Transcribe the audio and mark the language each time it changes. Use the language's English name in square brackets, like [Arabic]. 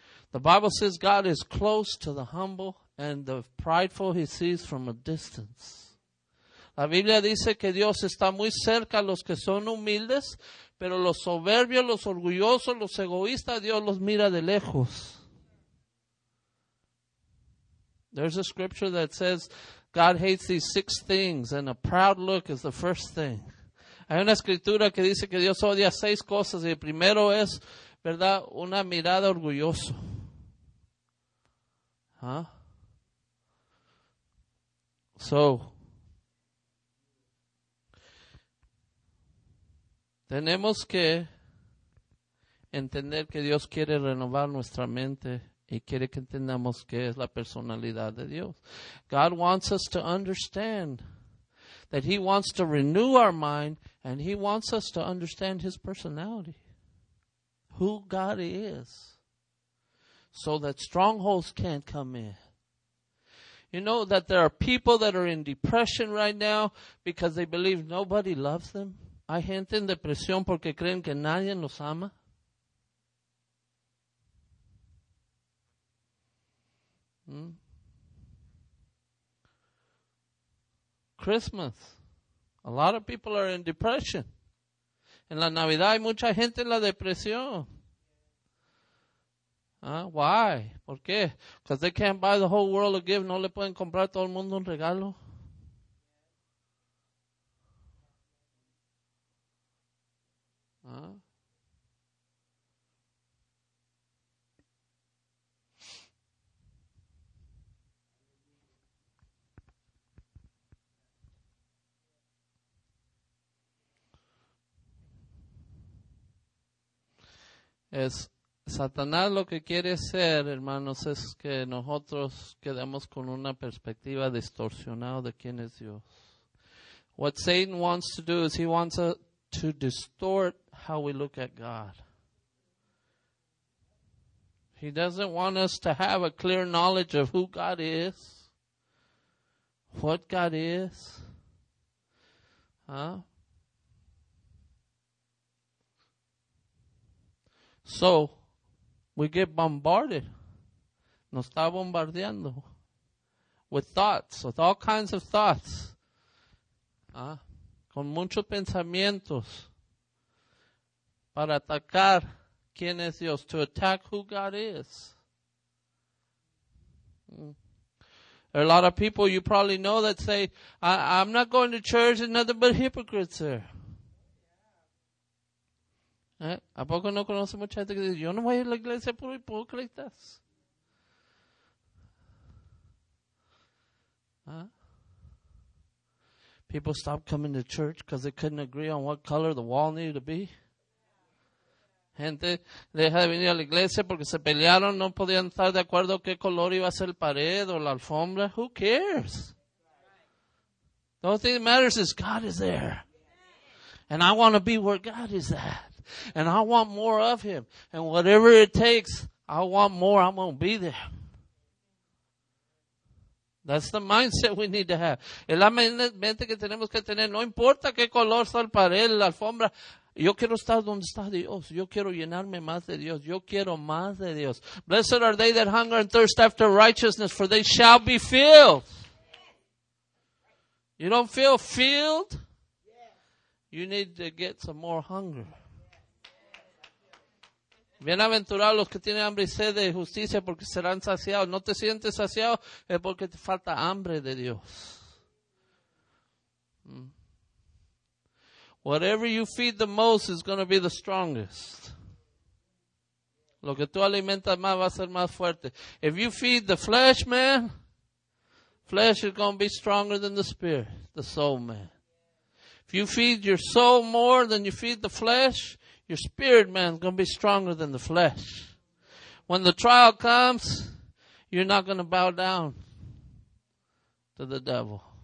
[English] The Bible says God is close to the humble and the prideful he sees from a distance. [Spanish] La Biblia dice que Dios está muy cerca a los que son humildes, pero los soberbios, los orgullosos, los egoístas, Dios los mira de lejos. [English] There's a scripture that says God hates these six things and a proud look is the first thing. [Spanish] Hay una escritura que dice que Dios odia seis cosas y el primero es, ¿verdad?, una mirada orgulloso. So, tenemos que entender que Dios quiere renovar nuestra mente y quiere que entendamos qué es la personalidad de Dios. [English] God wants us to understand that he wants to renew our mind and he wants us to understand his personality, who God is, so that strongholds can't come in. You know that there are people that are in depression right now because they believe nobody loves them. [Spanish] Hay gente en depresión porque creen que nadie los ama. [English] Christmas. A lot of people are in depression. [Spanish] En la Navidad hay mucha gente en la depresión. [English] Why? [Spanish] ¿Por qué? [English] Because they can't buy the whole world a gift. [Spanish] No le pueden comprar a todo el mundo un regalo. Es Satanás lo que quiere hacer, hermanos, es que nosotros quedemos con una perspectiva distorsionada de quién es Dios. [English] What Satan wants to do is he wants to distort how we look at God. He doesn't want us to have a clear knowledge of who God is, what God is. So, we get bombarded. [Spanish] Nos está bombardeando. [English] With thoughts. With all kinds of thoughts. [Spanish] Con muchos pensamientos. Para atacar quién es Dios. [English] To attack who God is. There are a lot of people you probably know that say, I'm not going to church. There's nothing but hypocrites there. [Spanish] ¿A poco no conoce mucha gente que dice, yo no voy a ir a la iglesia por hipócritas? [English] People stop coming to church because they couldn't agree on what color the wall needed to be. [Spanish] Gente deja de venir a la iglesia porque se pelearon, no podían estar de acuerdo qué color iba a ser la pared o la alfombra. [English] Who cares? The only thing that matters is God is there. And I want to be where God is at. And I want more of him. And whatever it takes, I want more. I'm going to be there. That's the mindset we need to have. [Spanish] Es la mente que tenemos que tener. No importa qué color sea el pared, la alfombra. Yo quiero estar donde está Dios. Yo quiero llenarme más de Dios. Yo quiero más de Dios. [English] Blessed are they that hunger and thirst after righteousness, for they shall be filled. You don't feel filled? You need to get some more hunger. [Spanish] Bienaventurados los que tienen hambre y sed de justicia, porque serán saciados. No te sientes saciado, es porque te falta hambre de Dios. [English] Whatever you feed the most is going to be the strongest. [Spanish] Lo que tú alimentas más va a ser más fuerte. [English] If you feed the flesh, man, flesh is going to be stronger than the spirit, the soul, man. If you feed your soul more than you feed the flesh, your spirit, man, is going to be stronger than the flesh. When the trial comes, you're not going to bow down to the devil.